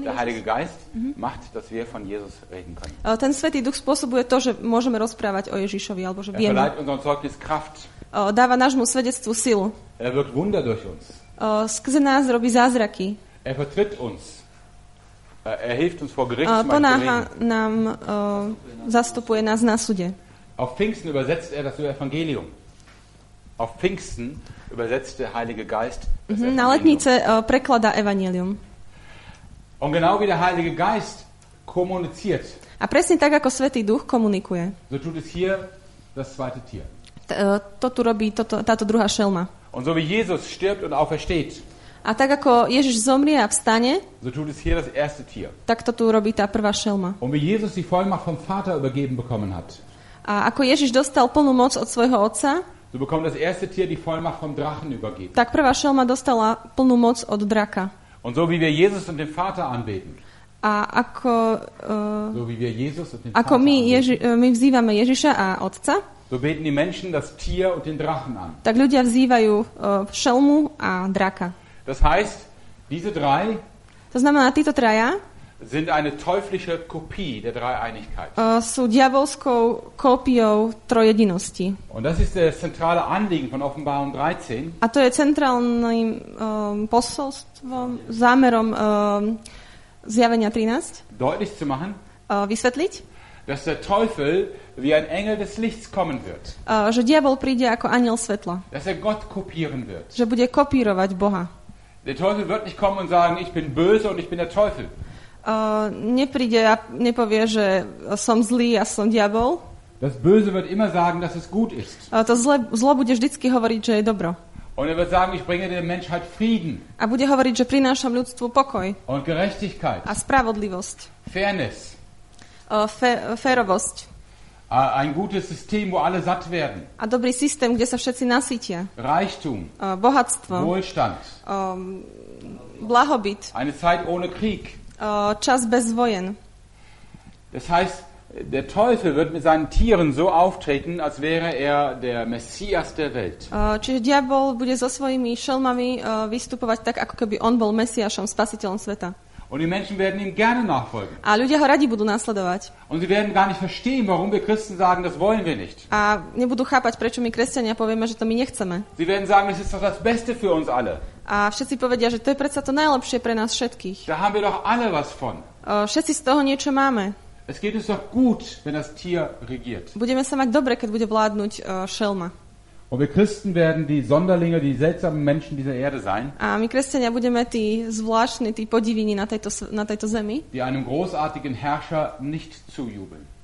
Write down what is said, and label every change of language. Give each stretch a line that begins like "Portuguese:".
German: Jesus. Der Heilige Geist macht, dass wir von Jesus reden können.
Slovak: Ten Svätý Duch spôsobuje to, že môžeme rozprávať o Ježišovi, alebo že vieme.
German: Er verleiht unserem Zeugnis Kraft.
Slovak: Dáva nášmu svedectvu silu.
German: Er wirkt Wunder durch uns.
Slovak: Skrze nás robí zázraky.
German: Er vertritt uns. Er hilft uns vor Gericht.
Slovak: Ponáha nám, zastupuje nás na súde.
German: Auf Pfingsten übersetzt er das Evangelium. Auf Pfingsten übersetzt der Heilige Geist das
Slovak: Evangelium. Na letnice prekladá Evangelium.
German: Und genau wie der Heilige Geist kommuniziert.
Slovak: A presne tak, ako Svätý Duch komunikuje.
German: So tut es hier das zweite Tier.
Slovak: To tu robí táto druhá šelma.
German: Und so wie Jesus stirbt und aufersteht.
Slovak: A tak ako Ježiš zomrie a vstane.
German: So tut es hier das erste Tier.
Slovak: Tak to tu robí tá prvá šelma.
German: Und wie Jesus die Vollmacht vom Vater übergeben bekommen hat.
Slovak: A ako Ježiš dostal plnú moc od svojho otca.
German: So bekommt das erste Tier die Vollmacht vom Drachen übergeben.
Slovak: Tak prvá šelma dostala plnú moc od draka.
German: Und so wie wir Jesus und den Vater anbeten.
Slovak: A ako
German: so wie wir Jesus und den
Slovak: ako
German: Vater
Slovak: my, my vzývame Ježiša a otca.
German: So beten die Menschen das Tier und den Drachen an.
Slovak: Tak ľudia vzývajú šelmu a draka.
German: Das heißt, diese drei
Slovak: to znamená, títo traja
German: sind eine teuflische Kopie der Dreieinigkeit.
Slovak: Sú diabolskou kópiou trojedinosti.
German: Und das ist das zentrale Anliegen von Offenbarung 13.
Slovak: A to je centrálnym posolstvom, zámerom zjavenia 13.
German: Deutlich zu machen.
Slovak: Vysvetliť.
German: Dass der Teufel wie ein Engel des Lichts kommen wird.
Slovak: Že diabol príde ako anjel svetla.
German: Dass er Gott kopieren wird.
Slovak: Že bude kopírovať Boha.
German: Der Teufel wird nicht kommen und sagen, ich bin böse und ich bin der Teufel.
Slovak: Nepríde a nepovie, že som zlý a som diabol.
German: Das Böse wird immer sagen, dass es gut ist.
Slovak: To zlo bude vždycky hovoriť, že je dobro.
German: Und er wird sagen, ich bringe der Menschheit Frieden.
Slovak: A bude hovoriť, že prinášam ľudstvu pokoj.
German: Und Gerechtigkeit.
Slovak: A spravodlivosť.
German: Fairness.
Slovak: Férovosť.
German: Ein gutes System, wo alle satt werden.
Slovak: A dobrý systém, kde sa všetci nasytia.
German: Reichtum.
Slovak: Bohatstvo.
German: Wohlstand.
Slovak: Blahobyt.
German: Eine Zeit ohne Krieg.
Slovak: Čas bez vojen.
German: Das heißt, der Teufel wird mit seinen Tieren so auftreten, als wäre er der Messias der Welt.
Slovak: Čiže diabol bude so svojimi šelmami vystupovať tak, ako keby on bol Mesiášom, spasiteľom sveta.
German: Und die Menschen werden ihm gerne nachfolgen.
Slovak: A ľudia ho radi budú nasledovať.
German: Und sie werden gar nicht verstehen, warum wir Christen sagen, das wollen wir nicht.
Slovak: A nebudú chápať, prečo my kresťania povieme, že to my nechceme.
German: Sie werden sagen, es ist doch das Beste für uns alle.
Slovak: A všetci povedia, že to je predsa to najlepšie pre nás všetkých.
German: Da haben wir doch alle was von.
Slovak: Všetci z toho niečo máme.
German: Es geht uns doch gut, wenn das Tier regiert.
Slovak: Budeme sa mať dobre, keď bude vládnuť šelma.
German: Und wir Christen werden die Sonderlinge, die seltsamen Menschen dieser Erde sein.
Slovak: A my kresťania budeme tí zvláštni, tí podiviní na tejto zemi.
German: Die einem großartigen Herrscher nicht zujubeln.